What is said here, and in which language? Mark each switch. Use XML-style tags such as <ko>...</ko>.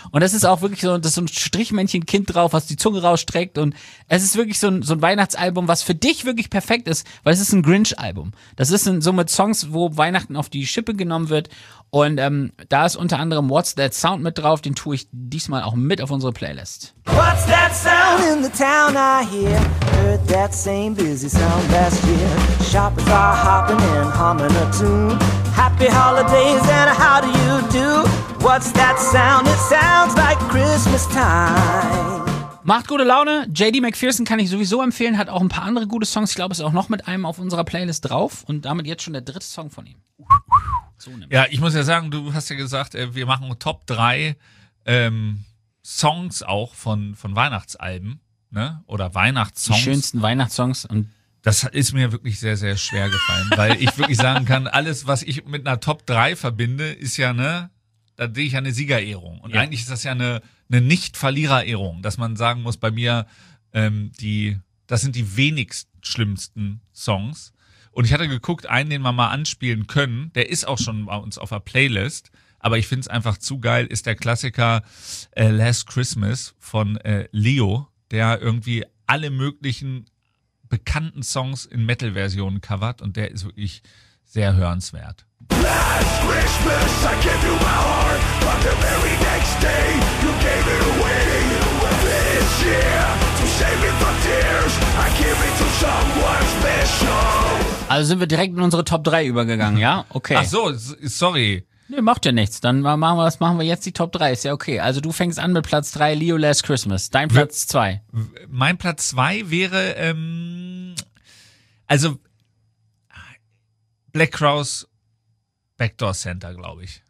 <de>Und das ist auch wirklich so, das ist so ein Strichmännchen-Kind drauf, was die Zunge rausstreckt. Und es ist wirklich so ein Weihnachtsalbum, was für dich wirklich perfekt ist, weil es ist ein Grinch-Album. Das ist so mit Songs, wo Weihnachten auf die Schippe genommen wird. Und da ist unter anderem What's That Sound mit drauf. Den tue ich diesmal auch mit auf unsere Playlist.</de> <en>What's that sound in the town I hear? Heard that same busy sound last year. Shoppers are hopping and humming a tune. Happy holidays and how do? What's that sound? It sounds like Christmas time.</en> <de>Macht gute Laune. JD McPherson kann ich sowieso empfehlen. Hat auch ein paar andere gute Songs. Ich glaube, ist auch noch mit einem auf unserer Playlist drauf. Und damit jetzt schon der dritte Song von ihm. Ja, ich muss ja sagen, du hast ja gesagt, wir machen Top 3 Songs auch von Weihnachtsalben, ne? Oder Weihnachtssongs. Die schönsten Weihnachtssongs. Und das ist mir wirklich sehr, sehr schwer gefallen, weil ich wirklich sagen kann, alles, was ich mit einer Top 3 verbinde, ist ja, ne, da sehe ich ja eine Siegerehrung. Und eigentlich ist das ja eine Nicht-Verlierer-Ehrung, dass man sagen muss, bei mir, das sind die wenigst schlimmsten Songs. Und ich hatte geguckt, einen, den wir mal anspielen können, der ist auch schon bei uns auf der Playlist, aber ich finde es einfach zu geil, ist der Klassiker Last Christmas von Leo, der irgendwie alle möglichen bekannten Songs in Metal-Versionen covert und der ist wirklich sehr hörenswert. Last Christmas I gave you my heart, but the very next day you gave it away. This year to save it from tears, I give it to someone special. Also sind wir direkt in unsere Top 3 übergegangen, ja? Okay. Ach so, sorry. Nee, macht ja nichts. Dann machen wir, was machen wir jetzt? Die Top 3 ist ja okay. Also du fängst an mit Platz 3, Leo Last Christmas. Dein Platz 2. Mein Platz 2 wäre, Black Crowes Backdoor Santa, glaube ich.</de>